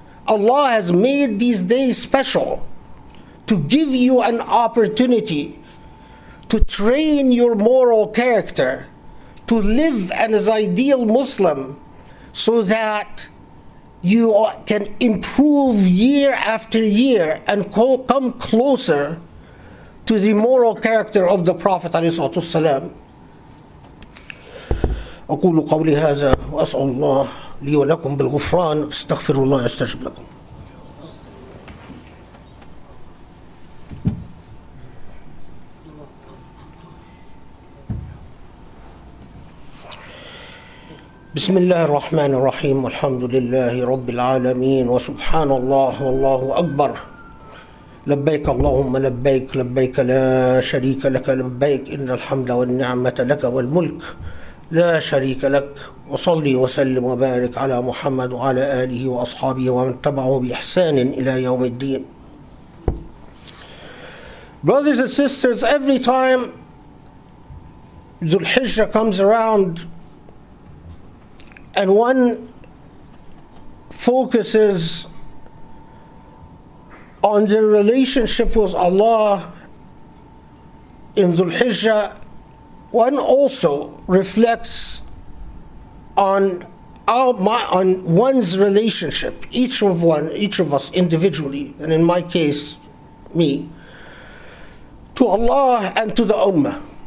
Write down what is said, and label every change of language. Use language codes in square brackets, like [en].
[en] Allah has made these days special to give you an opportunity to train your moral character, to live as an ideal Muslim, so that you can improve year after year and come closer to the moral character of the Prophet ﷺ. [ar] أقول قولي هذا وأسأل الله لي ولكم بالغفران استغفر الله يستجب لكم. بسم الله الرحمن الرحيم والحمد لله رب العالمين وسبحان الله والله أكبر لبيك اللهم لبيك لبيك لا شريك لك لبيك إن الحمد والنعمة لك والملك لا شريك لك وصلي وسلم وبارك على محمد وعلى آله وأصحابه ومن تبعه بإحسان إلى يوم الدين. [en] Brothers and sisters, every time Dhul Hijjah comes around and one focuses on the relationship with Allah in Dhul Hijjah, one also reflects on one's relationship, each of us individually, and in my case, me, to Allah and to the Ummah.